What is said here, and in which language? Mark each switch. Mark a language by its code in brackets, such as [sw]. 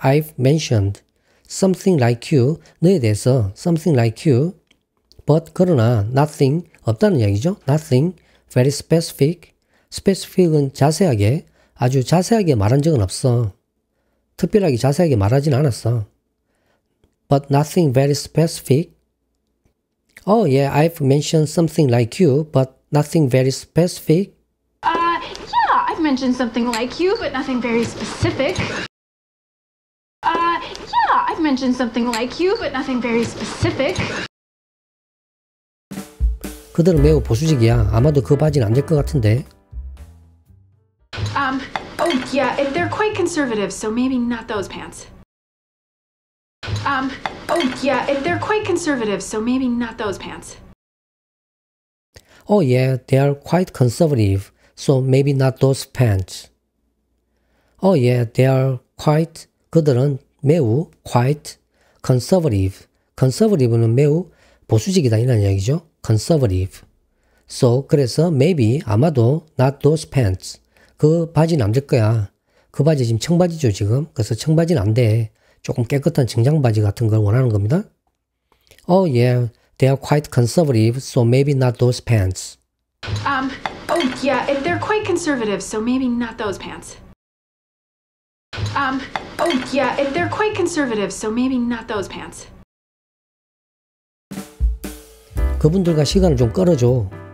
[en] I've mentioned something like you. [ko] 너에 대해서 [en] something like you, but [ko] 그러나 [en] nothing [ko] 없다는 이야기죠. [en] Nothing. Very specific. [ko] Specific은 자세하게, 아주 자세하게 말한 적은 없어. 특별하게 자세하게 말하진 않았어. [en] But nothing very specific. Oh yeah, I've mentioned something like you, but nothing very specific. I've mentioned something like you, but nothing very specific. I've mentioned something like you, but nothing very specific. [ko] 그들은 매우 보수적이야. 아마도 그 바지는 안 될 것 같은데. [en] Oh yeah, if they're quite conservative, so maybe not those pants. Oh yeah, if they're quite conservative, so maybe not those pants. Oh yeah, they are quite conservative, so maybe not those pants. Oh yeah, they are quite [ko] 그들은 매우 [en] quite conservative. [ko] Conservative는 매우 보수적이다 이런 이야기죠. Conservative. So, 그래서 [en] maybe, [ko] 아마도 [en] not those pants. [ko] 그 바지는 안될 거야. 그 바지 지금 청바지죠, 지금. 그래서 청바지는 안 돼. 조금 깨끗한 정장바지 같은 걸 원하는 겁니다. [en] Oh, yeah. They are quite conservative, so maybe not those pants. Oh, yeah, if they're quite conservative, so maybe not those pants. Oh, yeah, if they're quite conservative, so maybe not those pants. [ko] 그분들과 시간을 좀 끌어줘.